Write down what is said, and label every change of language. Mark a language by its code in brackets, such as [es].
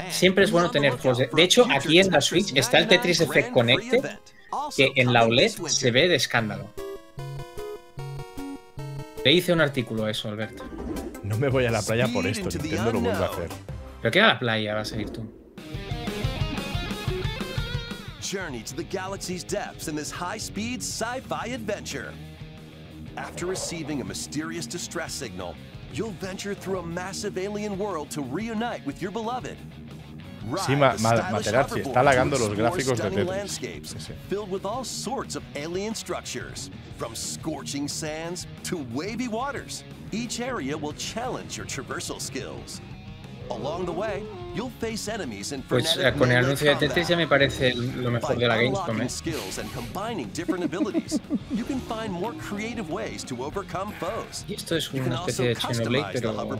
[es] Siempre es bueno tener juegos de... hecho, aquí en la Switch está el Tetris Effect Connected, que en la OLED se ve de escándalo. Le hice un artículo a eso, Alberto. No me voy a la playa por esto, Nintendo lo vuelve a hacer. ¿Pero qué a la playa vas a ir tú? [en] Journey to the galaxy's depths in this high-speed sci-fi adventure. After receiving a mysterious distress signal, you'll venture through a massive alien world to reunite with your beloved. [es] Sí, Materazzi, está lagando los gráficos de Tetris. [en] Filled with all sorts of alien structures, from scorching sands to wavy waters. Each area will challenge your traversal skills. Along the way, you'll face enemies in frenetic combat. [es] Pues con el anuncio de Tetris ya me parece lo mejor de la Gamescom, ¿eh? [en] Skills and combining different abilities, you can find more creative ways to overcome foes. [es] Y esto es una especie de Xenoblade, pero